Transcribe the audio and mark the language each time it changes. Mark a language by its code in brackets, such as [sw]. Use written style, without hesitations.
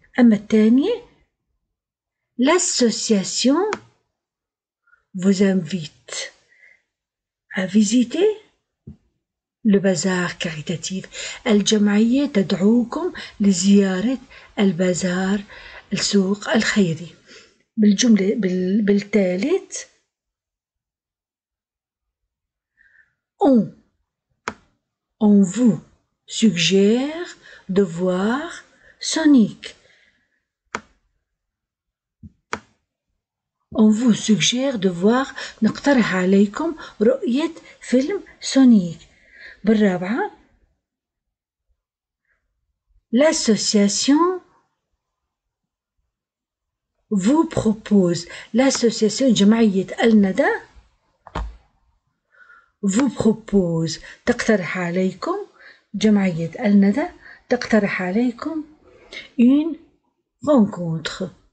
[ar] أما الثانية لاسوسياسيون [fr] vous invite à visiter le bazar caritatif، [ar] الجمعية تدعوكم لزيارة البازار السوق الخيري. بالجملة بالثالث [fr] On vous suggère de voir Sonic. On vous suggère de voir [ar] نقترح عليكم رؤية فيلم سونيك. بالرابعة [fr] l'association vous propose، [ar] l'association جمعية الندى [fr] vous propose [ar] تقترح عليكم، جمعية الندى تقترح عليكم [fr] une rencontre.